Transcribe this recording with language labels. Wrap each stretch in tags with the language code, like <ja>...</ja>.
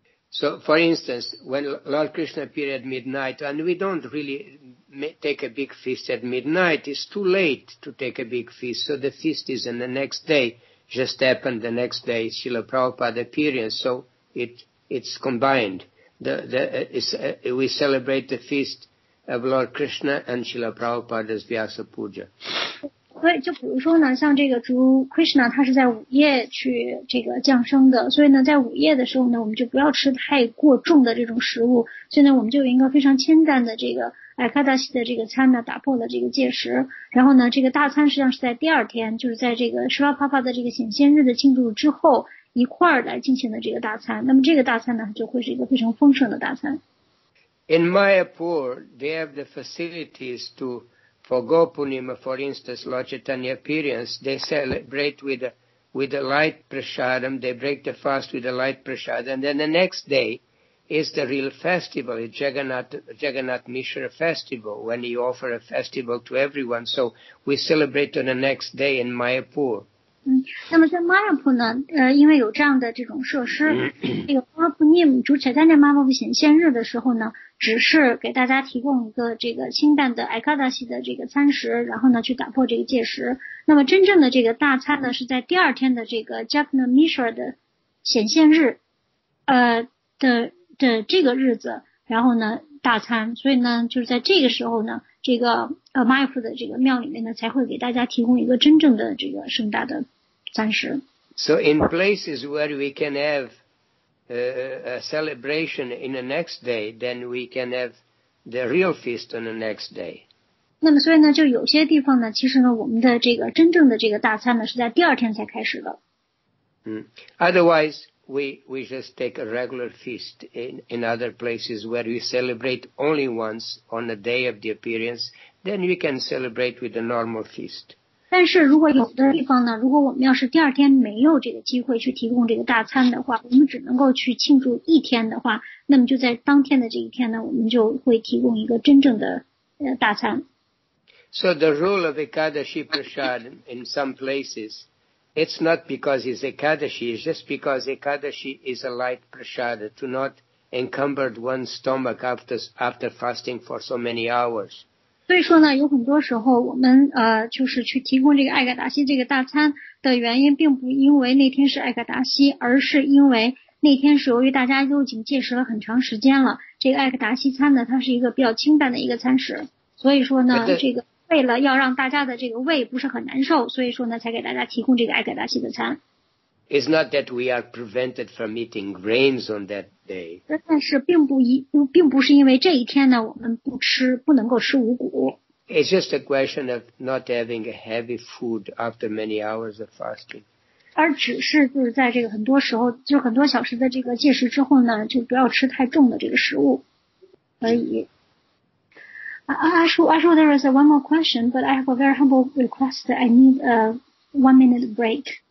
<en>So for instance, when Lord Krishna appeared at midnight, and we don't really take a big feast at midnight, it's too late to take a big feast, so the feast is in the next day, just happened the next day, Srila Prabhupada appearance, so it's combined. We celebrate the feast of Lord Krishna and Srila Prabhupada's Vyasa Puja.</en> <zh>所以就比如说呢，像这个主 Krishna 他是在午夜去这个降生的，所以呢在午夜的时候呢，我们就不要吃太过重的这种食物，所以呢我们就有一个非常清淡的这个 Ekadashi 的这个餐呢，打破了这个戒食。然后呢这个大餐实际上是在第二天，就是在这个 Srila Prabhupada 的这个显现日的庆祝之后一块儿来进行的这个大餐，那么这个大餐呢，就会是一个非常丰盛的大餐。</zh> <en>In Mayapur, they have the facilities to for Gopunima, for instance, Lord Chaitanya appearance. They celebrate with a light prasadam. They break the fast with a light prasadam, and then the next day is the real festival, the Jagannath Mishra festival, when you offer a festival to everyone. So we celebrate on the next day in Mayapur.</en> <zh>那么在 Mayapur 呢，因为有这样的这种设施，这个 Gopunim 主 Chaitanya Mahaprabhu 显现日的时候呢，只是给大家提供一个这个清淡的 Ekadashi 的这个餐食，然后呢去打破这个戒食。那么真正的这个大餐呢，是在第二天的这个 Jagannath Mishra 的显现日，的这个日子，然后呢大餐。所以呢，就是在这个时候呢，这个Mayapur 的这个庙里面呢，才会给大家提供一个真正的这个盛大的餐食。</zh> <en>So in places where we can have a celebration in the next day, then we can have the real feast on the next day.</en> <zh>那么所以呢，就有些地方呢，其实呢，我们的这个真正的这个大餐呢，是在第二天才开始的。</zh> <en>Otherwise, we just take a regular feast in other places where we celebrate only once on the day of the appearance. Then we can celebrate with a normal feast.</en> <zh>但是如果有的地方呢，如果我们要是第二天没有这个机会去提供这个大餐的话，我们只能够去庆祝一天的话，那么就在当天的这一天呢，我们就会提供一个真正的大餐。</zh> <en>So the rule of Ekadashi Prashad in some places, it's not because it's Ekadashi, it's just because Ekadashi is a light prashad, to not encumber one's stomach after fasting for so many hours.</en> <zh>所以说呢，有很多时候我们就是去提供这个爱嘎达西这个大餐的原因，并不因为那天是爱嘎达西，而是因为那天是由于大家都已经戒食了很长时间了，这个爱嘎达西餐呢，它是一个比较清淡的一个餐食，所以说呢，这个为了要让大家的这个胃不是很难受，所以说呢，才给大家提供这个爱嘎达西的餐。</zh> <en>It's not that we are prevented from eating grains on that day.</en> <zh>但是并不是因为这一天呢，我们不能够吃五谷。</zh> <en>It's just a question of not having a heavy food after many hours of fasting.</en> <zh>而只是就是在这个很多时候，就很多小时的这个戒食之后呢，就不要吃太重的这个食物而已。</zh> <en>Ashu, there is one more question, but I have a very humble request that I need a 1 minute break.</en>